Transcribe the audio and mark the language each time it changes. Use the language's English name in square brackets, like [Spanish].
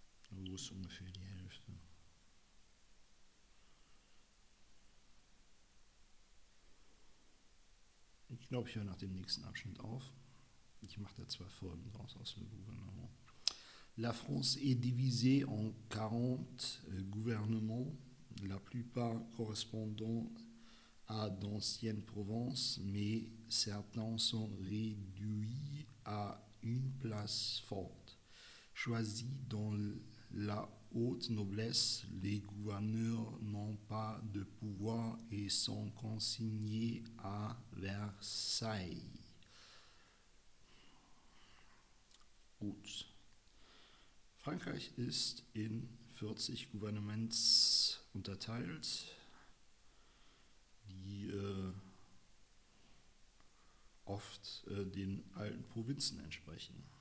[German] Wo ist ungefähr die Hälfte? Ich glaube, ich höre nach dem nächsten Abschnitt auf. Ich mache da zwei Folgen draus aus dem Gouvernement. [French] La France est divisée en 40 gouvernements. La plupart correspondent à d'anciennes provinces, mais certains sont réduits à une place forte. Choisis dans la haute noblesse, les gouverneurs n'ont pas de pouvoir et sont consignés à Versailles. [German] Gut. Frankreich ist in 40 Gouvernements unterteilt, die oft den alten Provinzen entsprechen.